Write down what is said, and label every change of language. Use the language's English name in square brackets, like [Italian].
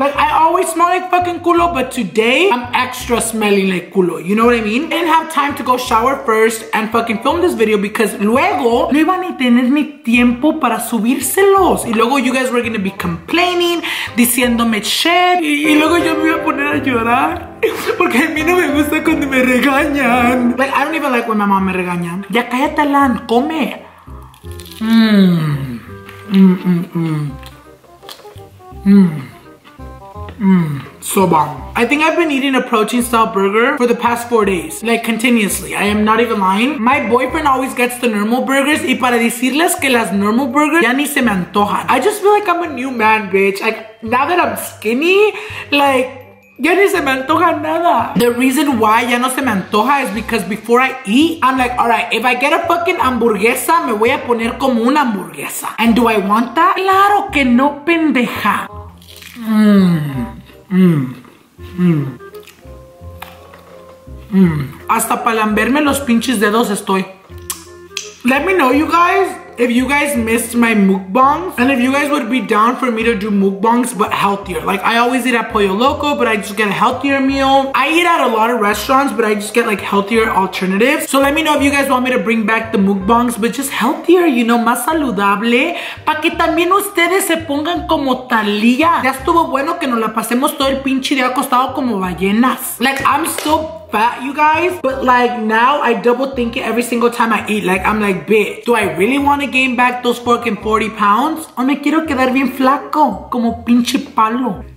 [English] Like, I always smell like fucking culo, but today, I'm extra smelling like culo. You know what I mean? I didn't have time to go shower first and fucking film this video because [Spanish] luego, no iba ni tener ni tiempo para subírselos. Y luego, [English] you guys were gonna be complaining, [Spanish] diciéndome [English] shit. [Spanish] Y luego, yo me iba a poner a llorar. Porque a mí no me gusta cuando me regañan. [English] Like, I don't even like when my mom [Spanish] me regaña. Ya cállate, Alan, come. [English] So bomb. I think I've been eating a protein style burger for the past 4 days. Like continuously. I am not even lying. My boyfriend always gets the normal burgers. [Spanish] Y para decirles que las normal burgers ya ni se me antojan. [English] I just feel like I'm a new man, bitch. Like, now that I'm skinny, like, [Spanish] ya ni se me antoja nada. [English] The reason why [Spanish] ya no se me antoja [English] is because before I eat, I'm like, all right, if I get a fucking hamburguesa, [Spanish] me voy a poner como una hamburguesa. [English] And do I want that? [Spanish] Claro que no, pendeja. Hasta para lamberme los pinches dedos estoy. [English] Let me know, you guys, if you guys missed my mukbangs and if you guys would be down for me to do mukbangs but healthier. Like, I always eat at Pollo Loco, but I just get a healthier meal. I eat at a lot of restaurants, but I just get like healthier alternatives. So let me know if you guys want me to bring back the mukbangs, but just healthier, you know, [Spanish] más saludable. Pa' que también ustedes se pongan como Talía. Ya estuvo bueno que nos la pasemos todo el pinche día acostado como ballenas. [English] Like, I'm so fat, you guys, but like now I double think it every single time I eat. Like, I'm like, bitch, do I really want to gain back those fucking 40 pounds? [Spanish] O me quiero quedar bien flaco como pinche palo.